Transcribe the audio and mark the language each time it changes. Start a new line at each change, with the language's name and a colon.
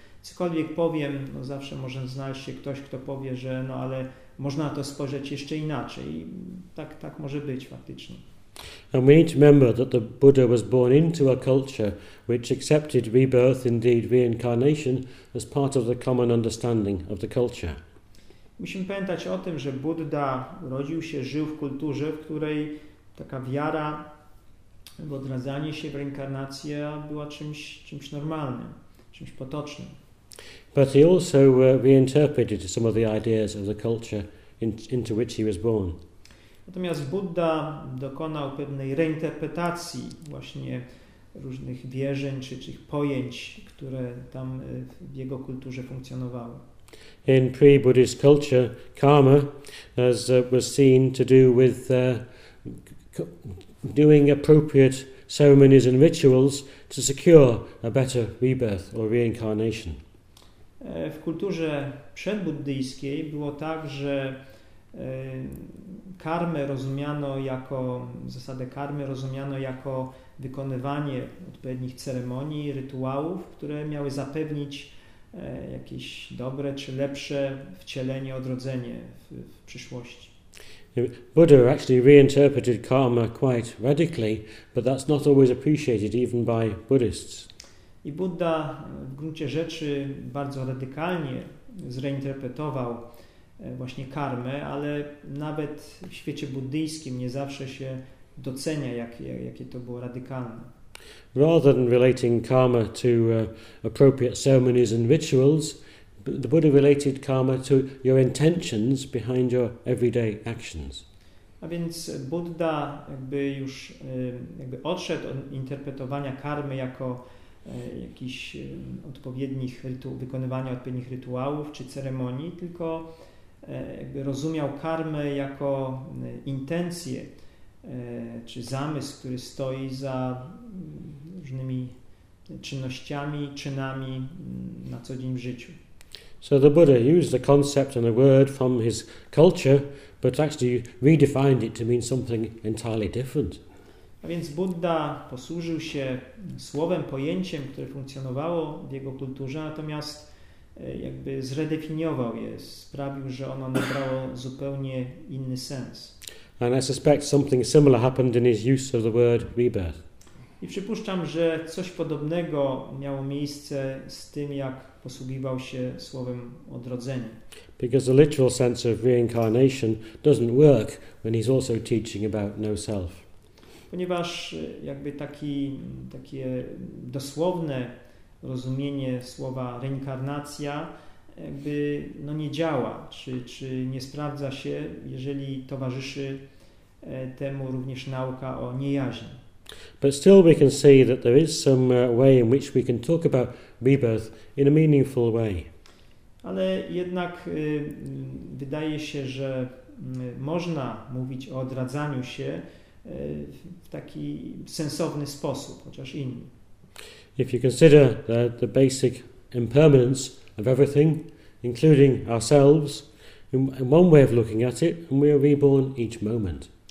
Polish: Cokolwiek powiem, no zawsze może znaleźć się ktoś, kto powie, że no ale można to spojrzeć jeszcze inaczej. I tak może być faktycznie.
English: And we need to remember that the Buddha was born into a culture which accepted rebirth, indeed reincarnation, as part of the common understanding of the culture.
Polish: Musimy pamiętać o tym, że Budda urodził się, żył w kulturze, w której taka wiara w odradzanie się, w reinkarnację była czymś normalnym, czymś potocznym.
English: But he also reinterpreted some of the ideas of the culture into which he was born.
Polish: Natomiast Buddha dokonał pewnej reinterpretacji właśnie różnych wierzeń czy tych pojęć, które tam w jego kulturze funkcjonowały.
English: In pre-Buddhist culture, karma was seen to do with doing appropriate ceremonies and rituals to secure a better rebirth or reincarnation.
Polish: W kulturze przedbuddyjskiej było tak, że karmę rozumiano jako, zasadę karmy rozumiano jako wykonywanie odpowiednich ceremonii, rytuałów, które miały zapewnić jakieś dobre czy lepsze wcielenie, odrodzenie w przyszłości.
English: Buddha actually reinterpreted karma quite radically, but that's not always appreciated even by Buddhists.
Polish: I Buddha w gruncie rzeczy bardzo radykalnie zreinterpretował właśnie karmę, ale nawet w świecie buddyjskim nie zawsze się docenia, jakie to było radykalne.
English: Rather than relating karma to appropriate ceremonies and rituals, the Buddha related karma to your intentions behind your everyday actions.
Polish: A więc Budda jakby już jakby odszedł od interpretowania karmy jako jakiś odpowiednich wykonywania odpowiednich rytuałów czy ceremonii, tylko jakby rozumiał karmę jako intencję czy zamysł, który stoi za różnymi czynnościami, czynami na co dzień w życiu.
English: So the Buddha used the concept and the word from his culture, but actually redefined it to mean something entirely different.
Polish: A więc Budda posłużył się słowem, pojęciem, które funkcjonowało w jego kulturze, natomiast jakby zredefiniował je, sprawił, że ono nabrało zupełnie inny sens.
English: And I suspect something similar happened in his use of the word rebirth.
Polish: I przypuszczam, że coś podobnego miało miejsce z tym, jak posługiwał się słowem odrodzenie.
English: Because the literal sense of reincarnation doesn't work when he's also teaching about no self.
Polish: Ponieważ jakby takie dosłowne rozumienie słowa reinkarnacja jakby no nie działa, czy nie sprawdza się, jeżeli towarzyszy temu również nauka o niejaźni.
English: But still we can see that there is some way in which we can talk about rebirth in a meaningful way.
Polish: Ale jednak wydaje się, że można mówić o odradzaniu się w taki sensowny sposób, chociaż inny.
English: If you consider the basic impermanence of everything, including ourselves, in one way of looking at it, and we are reborn each moment.